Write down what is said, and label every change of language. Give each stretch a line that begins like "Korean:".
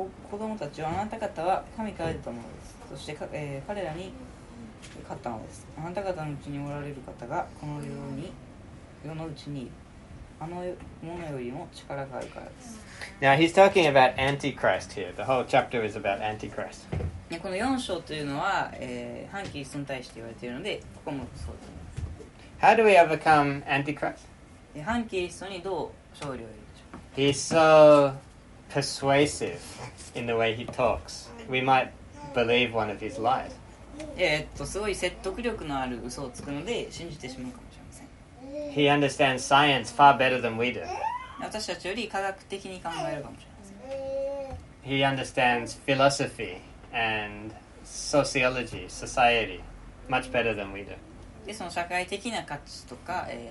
Japanese: 子供たちはあなた方は神から出たものです。そして、彼らに勝ったのです。あなた方のうちにおられる方がこの世のうちにあのものよりも力があるからです。
English: Now he's talking about Antichrist here. The whole chapter is about Antichrist.
Japanese: この4章というのは、反キリストに対して言われているので、ここもそうです。
English: How do we overcome Antichrist?
Japanese: 反キリストにどう勝利を得る。
English: He's so persuasive in the way he talks. We might believe one of his lies.
Japanese: すごい説得力のある嘘をつくので信じてしまうかもしれません。
English: He understands science far better than we do.
Japanese: 私たちより科学的に考えるかもしれません。
English: He understands philosophy and sociology, society, much better than we do.
Japanese: で、その社会的な価値とか、